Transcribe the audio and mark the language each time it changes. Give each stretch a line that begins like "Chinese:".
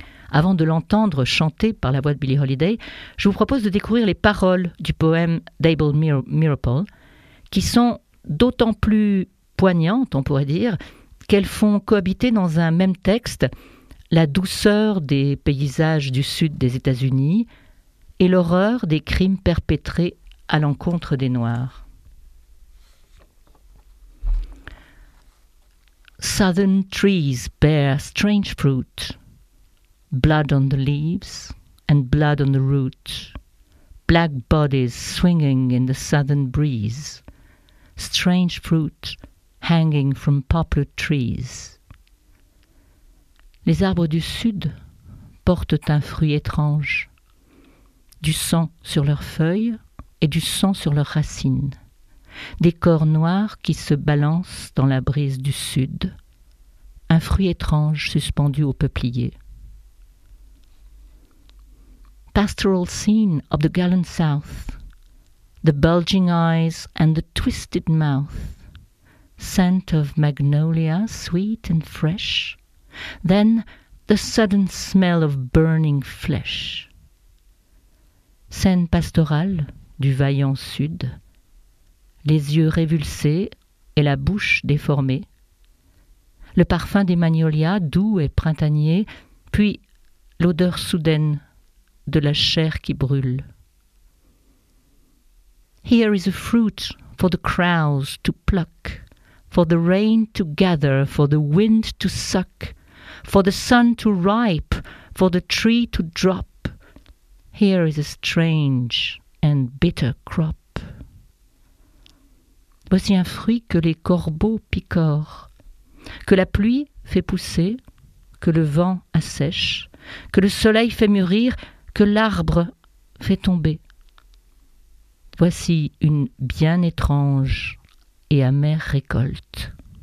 French: Avant de l'entendre chanter par la voix de Billie Holiday, je vous propose de découvrir les paroles du poème d'Abel Meeropol, qui sont d'autant plus poignantes, on pourrait dire, qu'elles font cohabiter dans un même texte la douceur des paysages du sud des États-Unis et l'horreur des crimes perpétrés à l'encontre des Noirs.
English: Southern trees bear strange fruit, blood on the leaves and blood on the root, black bodies swinging in the southern breeze, strange fruit hanging from poplar trees.
French: Les arbres du sud portent un fruit étrange, du sang sur leurs feuilles et du sang sur leurs racines, des corps noirs qui se balancent dans la brise du sud, un fruit étrange suspendu au peuplier.
English: Pastoral scene of the gallant south, the bulging eyes and the twisted mouth, scent of magnolia sweet and fresh, then the sudden smell of burning flesh.
French: Scène pastorale du vaillant sud, les yeux révulsés et la bouche déformée, le parfum des magnolias doux et printanier, puis l'odeur soudaine de la chair qui brûle.
English: Here is a fruit for the crows to pluck, for the rain to gather, for the wind to suck, for the sun to ripe, for the tree to drop. Here is a strange and bitter crop.
French: Voici un fruit que les corbeaux picorent, que la pluie fait pousser, que le vent assèche, que le soleil fait mûrir, que l'arbre fait tomber. Voici une bien étrange et amère récolte.